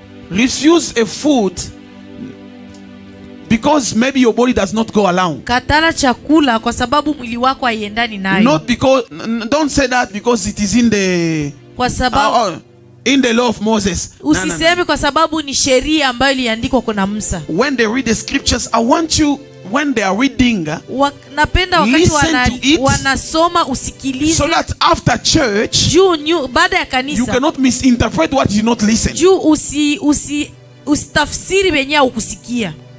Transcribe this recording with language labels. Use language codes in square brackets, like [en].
[en] Refuse a food because maybe your body does not go along. Not because, don't say that because it is in the... In the law of Moses. [sw] Usiseme kwa sababu ni sheria ambayo iliandikwa kwa Musa. [en] When they read the scriptures, I want you, when they are reading, [sw] napenda wakati wanasoma usikilize. [en] So that after church, [sw] baada ya kanisa, [en] you cannot misinterpret what you not listen. [sw] Juu usitafsiri benye ukusikia.